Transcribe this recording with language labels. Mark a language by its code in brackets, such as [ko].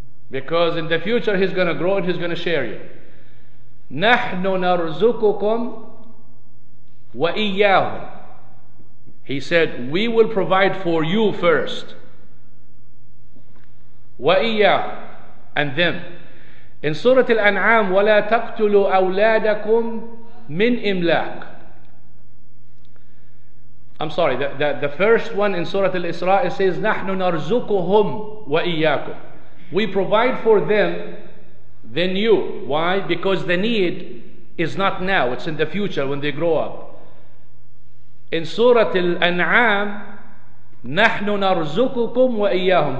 [en] Because in the future he's going to grow and he's going to share you. [ar] نَحْنُ نَرْزُقُكُمْ وَإِيَّاهُمْ. [en] He said, we will provide for you first. [ar] وَإِيَّاهُمْ, [en] and them. In Surah Al-An'am, [ar] وَلَا تَقْتُلُوا أَوْلَادَكُمْ مِنْ إِمْلَاقٍ. [en] I'm sorry, the first one in Surah Al-Isra, it says, [ar] نَحْنُ نَرْزُقُهُمْ وَإِيَّاكُمْ. [en] We provide for them than you. Why? Because the need is not now, it's in the future when they grow up. In Surah Al-An'am, [ar] نَحْنُ نَرْزُقُكُمْ وَإِيَّاهُمْ.